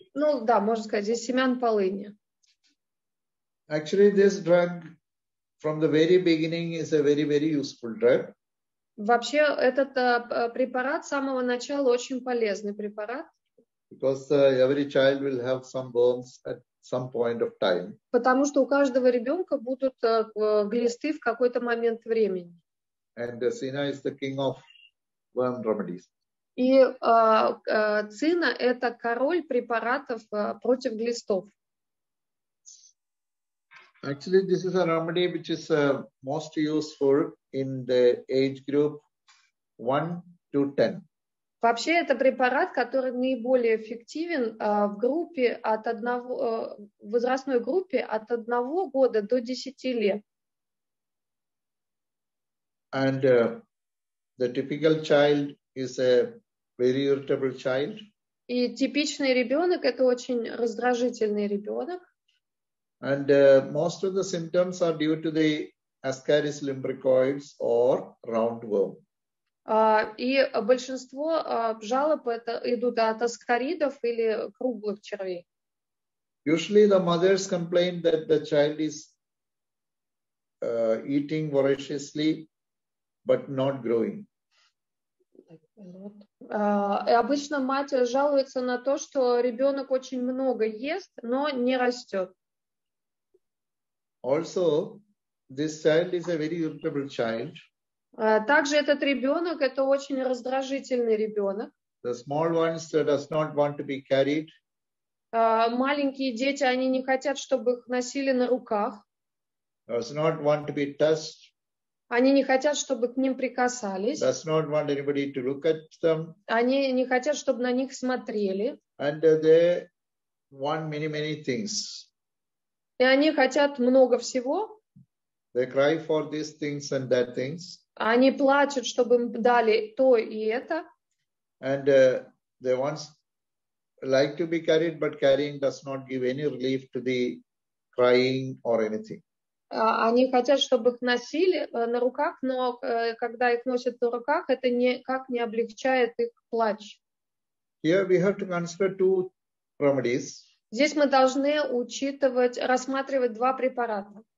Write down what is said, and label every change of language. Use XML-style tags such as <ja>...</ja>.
<ru>Ну да, можно сказать, здесь семян полыни.</ru> <en>Actually, this drug from the very beginning is a very, very useful drug.</en> <ru>Вообще, этот препарат с самого начала очень полезный препарат.</ru> <en>Because every child will have some worms at some point of time.</en> <ru>Потому что у каждого ребенка будут глисты в какой-то момент времени.</ru> <en>And Sina is the king of worm remedies.</en> <ru>И цина – это король препаратов против глистов.</ru> <en>Actually, this is a remedy which is most useful in the age group 1 to 10.</en> <ru>Вообще, это препарат, который наиболее эффективен в группе от одного, в возрастной группе от 1 года до 10 лет.</ru> <en>And the typical child is a very irritable child.</en> <ru>И типичный ребенок – это очень раздражительный ребенок.</ru> <en>And most of the symptoms are due to the Ascaris lumbricoides or roundworm.</en> <ru>И большинство жалоб это идут от аскаридов или круглых червей.</ru> <en>Usually the mothers complain that the child is eating voraciously, but not growing.</en> <ru>И обычно мать жалуется на то, что ребенок очень много ест, но не растет.</ru> <en>Also, this child is a very irritable child.</en> <ru>Также этот ребенок – это очень раздражительный ребенок.</ru> <en>The small ones does not want to be carried.</en> <ru>Маленькие дети, они не хотят, чтобы их носили на руках.</ru> <en>Does not want to be touched.</en> <ru>Они не хотят, чтобы к ним прикасались.</ru> <en>Does not want anybody to look at them.</en> <ru>Они не хотят, чтобы на них смотрели.</ru> <en>And they want many, many things.</en> <ru>И они хотят много всего.</ru> <en>They cry for these things and that things.</en> <ru>Они плачут, чтобы им дали то и это.</ru> <en>And they want like to be carried, but carrying does not give any relief to the crying or anything.</en> <ru>Они хотят, чтобы их носили на руках, но когда их носят на руках, это никак не облегчает их плач.</ru> <en>Here we have to consider two remedies.</en> <ru>Здесь мы должны рассматривать два препарата.</ru>